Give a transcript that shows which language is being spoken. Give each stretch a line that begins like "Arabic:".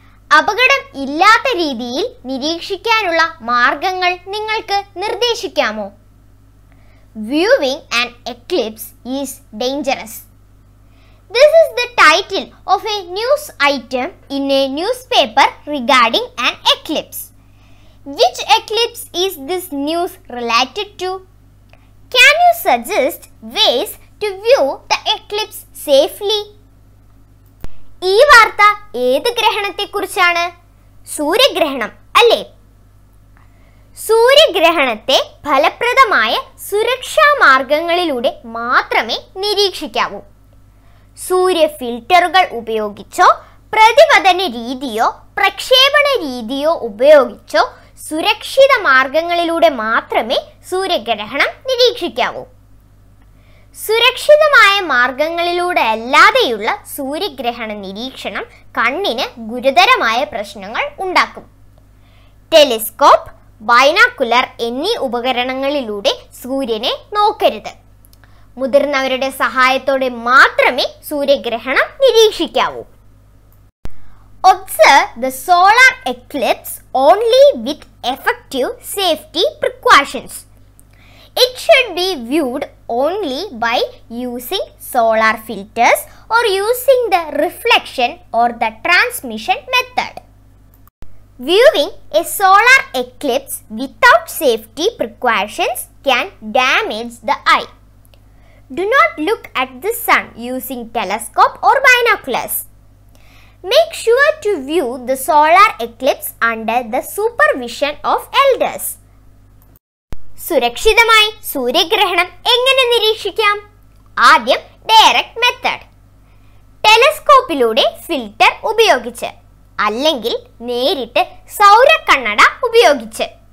Malayalam: അപകടം ഇല്ലാത്ത രീതിയിൽ നിരീക്ഷിക്കാനുള്ള മാർഗങ്ങൾ നിങ്ങൾക്ക് നിർദ്ദേശിക്കാമോ?
English: Viewing an eclipse is dangerous. This is the title of a news item in a news paper regarding an eclipse. Which eclipse is this news related to? Can you suggest ways to view the eclipse safely?
Malayalam: ഈ വാർത്ത ഏത് ഗ്രഹണത്തെ കുറിച്ചാണ്? സൂര്യഗ്രഹണം അല്ലേ? സൂര്യഗ്രഹണത്തെ ഫലപ്രദമായ സുരക്ഷാ മാർഗങ്ങളിലൂടെ മാത്രമേ നിരീക്ഷിക്കാവൂ. സൂര്യ ഫിൽറ്ററുകൾ ഉപയോഗിച്ചോ പ്രതിപതന രീതിയോ പ്രക്ഷേപണ രീതിയോ ഉപയോഗിച്ചോ സുരക്ഷിത മാർഗങ്ങളിലൂടെ മാത്രമേ സൂര്യഗ്രഹണം നിരീക്ഷിക്കാവൂ. സുരക്ഷിതമായ മാർഗങ്ങളിലൂടെ അല്ലാതെയുള്ള സൂര്യഗ്രഹണ നിരീക്ഷണം കണ്ണിന് ഗുരുതരമായ പ്രശ്നങ്ങൾ ഉണ്ടാക്കും. ടെലിസ്കോപ്പ്, ബൈനാക്കുലർ എന്നീ ഉപകരണങ്ങളിലൂടെ സൂര്യനെ നോക്കരുത്. മുതിർന്നവരുടെ സഹായത്തോടെ മാത്രമേ സൂര്യഗ്രഹണം നിരീക്ഷിക്കാവൂ.
English: Observe the solar eclipse only with effective safety precautions. It should be viewed only by using solar filters or using the reflection or the transmission method. Viewing a solar eclipse without safety precautions can damage the eye. Do not look at the sun using telescope or binoculars. Make sure to view the solar eclipse under the supervision of elders.
Malayalam: സുരക്ഷിതമായി സൂര്യഗ്രഹണം എങ്ങനെ നിരീക്ഷിക്കാം? ആദ്യം direct method, ടെലസ്കോപ്പിലൂടെ filter ഉപയോഗിച്ച് അല്ലെങ്കിൽ നേരിട്ട് സൗരക്കണ്ണട ഉപയോഗിച്ച്.